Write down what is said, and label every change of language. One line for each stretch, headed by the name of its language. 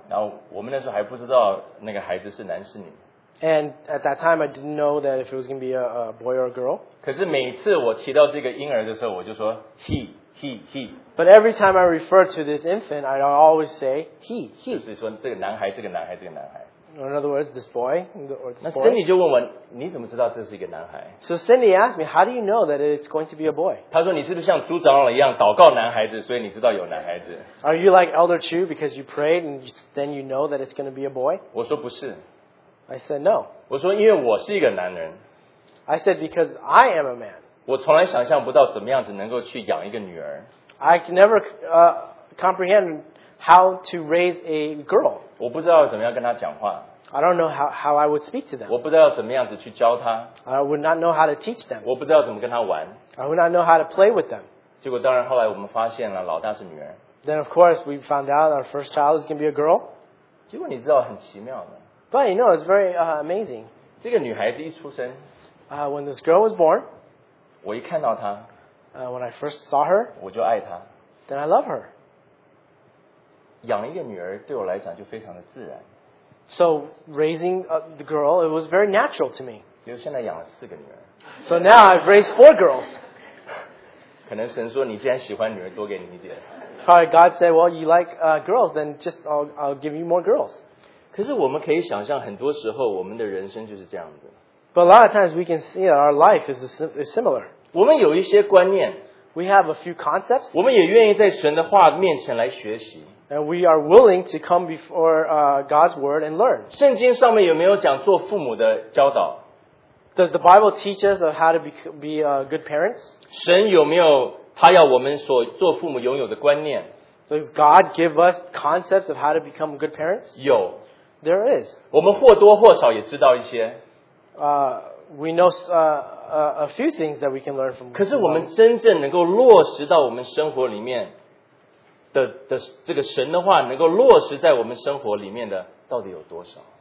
Chinese: 然后我们那时候还不知道那个孩子是男是女。
English: And at that time, I didn't know that if it was going to be a boy or a girl.
Chinese: 可是每次我提到这个婴儿的时候，我就说 he。
English: He. But every time I refer to this infant, I always say he. He.
Chinese: 就是说这个男孩，这个男孩，这个男孩。
English: In other words, this boy. Or this boy.
Chinese: 那 Cindy 就问我，你怎么知道这是一个男孩
English: ？So Cindy asked me, "How do you know that it's going to be a boy?"
Chinese: 他说，你是不是像朱长老一样祷告男孩子，所以你知道有男孩子
English: ？Are you like Elder Chu because you prayed and then you know that it's going to be a boy?
Chinese: 我说不是。
English: I said no.
Chinese: 我说因为我是一个男人。
English: I said because I am a man.
Chinese: 我从来想象不到怎么样子能够去养一个女儿。
English: I can never comprehend how to raise a girl.
Chinese: 我不知道怎么样跟她讲话。
English: I don't know how I would speak to them.
Chinese: 我不知道怎么样子去教她。
English: I would not know how to teach them.
Chinese: 我不知道怎么跟她玩。
English: I would not know how to play with them.
Chinese: 结果当然后来我们发现了老大是女儿。
English: Then of course we found out our first child is going to be a girl.
Chinese: 结果你知道很奇妙的。
English: But you know it's very amazing.
Chinese: 这个女孩子一出生。
English: When this girl was born,
Chinese: 我一看到她,
English: when I first saw her,
Chinese: 我就爱她,
English: then I love her.
Chinese: 养一个女儿对我来讲就非常的自然。
English: So raising the girl, it was very natural to me.
Chinese: 结果现在养了四个女儿。
English: So now I've raised four girls.
Chinese: 可能神说你既然喜欢女儿多给你一点。
English: Probably God said, well, you like girls, then just I'll give you more girls.
Chinese: 可是我们可以想象很多时候我们的人生就是这样的。
English: But a lot of times we can see that our life is similar.
Chinese: 我们有一些观念。
English: We have a few concepts.
Chinese: 我们也愿意在神的话面前来学习。
English: And we are willing to come before God's word and learn.
Chinese: 圣经上面有没有讲做父母的教导？
English: Does the Bible teach us of how to be good parents?
Chinese: 神有没有他要我们所做父母拥有的观念？
English: Does God give us concepts of how to become good parents?
Chinese: 有。
English: There is.
Chinese: 我们或多或少也知道一些。
English: We know a few things that we can learn from.
Chinese: 可是我们真正能够落实到我们生活里面的这个神的话，能够落实在我们生活里面的，到底有多少